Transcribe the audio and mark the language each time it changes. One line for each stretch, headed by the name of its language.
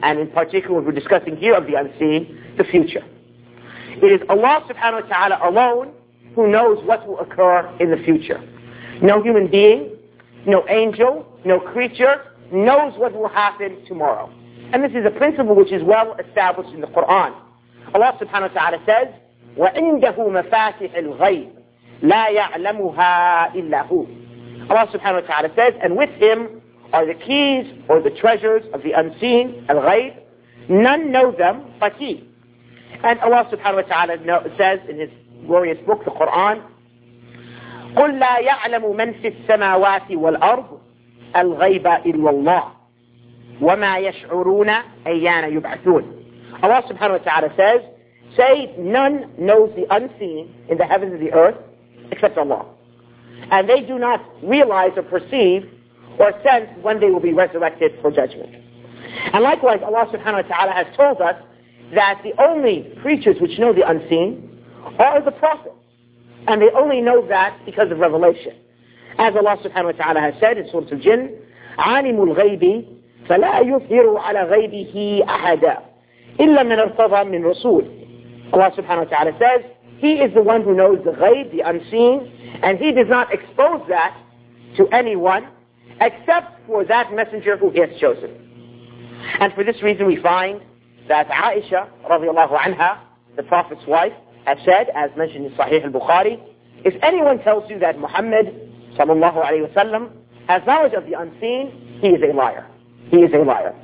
English: And in particular, we're discussing here of the unseen, the future. It is Allah subhanahu wa ta'ala alone who knows what will occur in the future. No human being, no angel, no creature knows what will happen tomorrow. And this is a principle which is well established in the Quran. Allah subhanahu wa ta'ala says,
Arabic: وَعِنْدَهُ مَفَاتِحِ الْغَيْبِ لَا يَعْلَمُهَا إِلَّا هُوَ.
English: Allah subhanahu wa ta'ala says, and with him are the keys or the treasures of the unseen, al-ghayb. None know them but he. And Allah subhanahu wa ta'ala says in his glorious book, the Quran,
Arabic: قُلْ لَا يَعْلَمُ مَنْ فِي السَّمَاوَاتِ وَالْأَرْضِ الْغَيْبَ إِلَّا اللَّهِ وَمَا يَشْعُرُونَ أَيَّانَ يُبْعَثُونَ.
English: Allah subhanahu wa ta'ala says, say, none knows the unseen in the heavens and the earth except Allah. and they do not realize or perceive or sense when they will be resurrected for judgment. And likewise, Allah subhanahu wa ta'ala has told us that the only creatures which know the unseen are the prophets. And they only know that because of revelation. As Allah subhanahu wa ta'ala has said in Surah Al-Jinn,
Arabic: عَالِمُ الْغَيْبِ فَلَا يُظْهِرُ عَلَى غَيْبِهِ أَحَدًا إِلَّا مِنَ الْقَضَى مِنْ رَسُولِ.
English: Allah subhanahu wa ta'ala says, He is the one who knows the ghayb, the unseen, and He does not expose that to anyone except for that messenger who He has chosen. And for this reason we find that Aisha radiallahu anha, the Prophet's wife, has said, as mentioned in Sahih al-Bukhari, if anyone tells you that Muhammad sallallahu alayhi wa sallam has knowledge of the unseen, he is a liar. He is a liar.